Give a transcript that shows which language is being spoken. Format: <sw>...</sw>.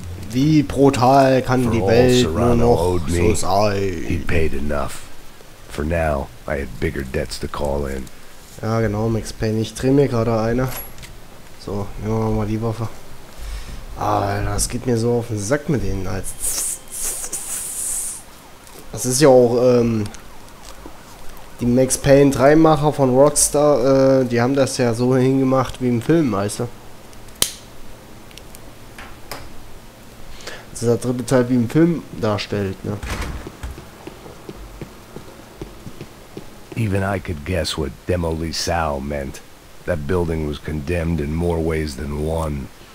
<de>Wie brutal kann die Welt nur noch so sein?</de> <en>He paid enough. For now, I have bigger debts to call in.</en> <de>Ja, genau, Max Payne, ich trimme gerade eine. So, nehmen wir mal die Waffe. Alter, das geht mir so auf den Sack mit denen, als. Das ist ja auch, die Max Payne 3 Macher von Rockstar, die haben das ja so hingemacht wie im Film, weißt du? Das ist der dritte Teil, wie im Film darstellt, ne?</de> <en>Even I could guess what Demo Lisao meant. That building was condemned in more ways than one.</en>